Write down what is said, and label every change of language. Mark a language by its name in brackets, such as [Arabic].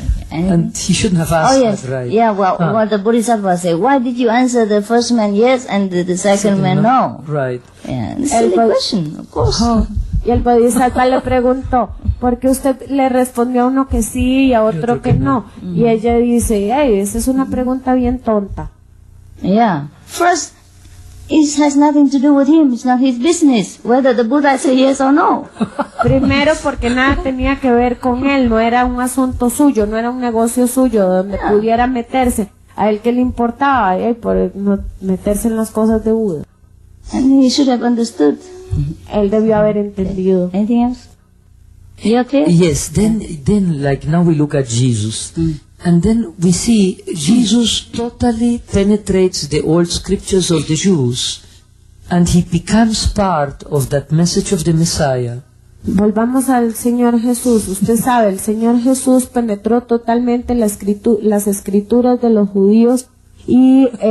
[English] And he shouldn't have asked oh, yes. that, right? Yeah, well, huh. What the Bodhisattva said, why did you answer the first man yes and the second man no? Right. Yeah, silly question, of course. Huh. [Spanish] Y el Bodhisattva le preguntó, ¿por qué usted le respondió a uno que sí y a otro que no? Mm-hmm. Y ella dice, hey, esa es una pregunta bien tonta. [English] Yeah. First, it has nothing to do with him. It's not his business whether the Buddha said yes or no. [Spanish] Primero, porque nada tenía que ver con él. No era un asunto suyo, no era un negocio suyo donde yeah. pudiera meterse. A él que le importaba, por no meterse en las cosas de Buda. [English] And he should have understood. [Spanish] Él debió haber entendido. [English] Anything else? You okay? Yes. Then like now we look at Jesus. And then we see Jesus totally penetrates the old scriptures of the Jews, and he becomes part of that message of the Messiah. [Spanish] Volvamos al Señor Jesús. Usted sabe, el Señor Jesús penetró totalmente las escrituras de los judíos y